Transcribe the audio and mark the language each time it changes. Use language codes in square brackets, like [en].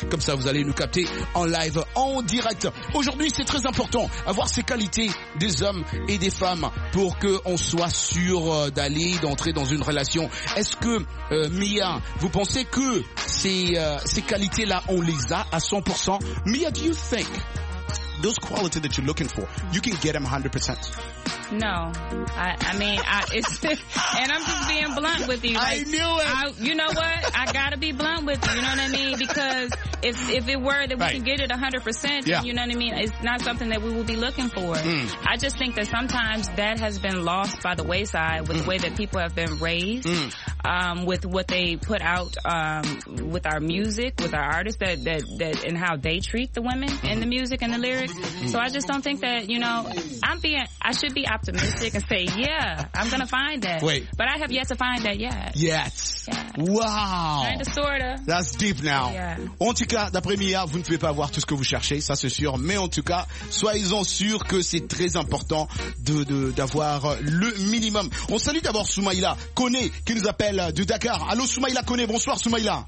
[fr] Comme ça, vous allez nous capter en live, en direct. Aujourd'hui, c'est très important avoir ces qualités des hommes et des femmes pour qu'on soit sûr d'aller, d'entrer dans une relation. Est-ce que, Mia, vous pensez que ces qualités-là, on les a à 100%? [en] Mia, do you think those qualities that you're looking for, you can get them 100%? No, and I'm just being blunt with you. Like, I knew it. You know what? I gotta be blunt with you. You know what I mean? Because if it were that we right. can get it 100%, yeah. you know what I mean? It's not something that we will be looking for. Mm. I just think that sometimes that has been lost by the wayside with the way that people have been raised, with what they put out, with our music, with our artists that and how they treat the women in the music and the lyrics. So I just don't think that, you know, I should be optimistic and say, yeah, I'm gonna find that. Wait. But I have yet to find that yet. Yes. Wow. Kinda, sorta. That's deep now. Yeah. [fr] En tout cas, d'après Mia, vous ne pouvez pas avoir tout ce que vous cherchez, ça c'est sûr. Mais en tout cas, soyez-en sûrs que c'est très important d'avoir le minimum. On salue d'abord Soumaïla Koné qui nous appelle de Dakar. Allô Soumaïla Koné, bonsoir Soumaïla.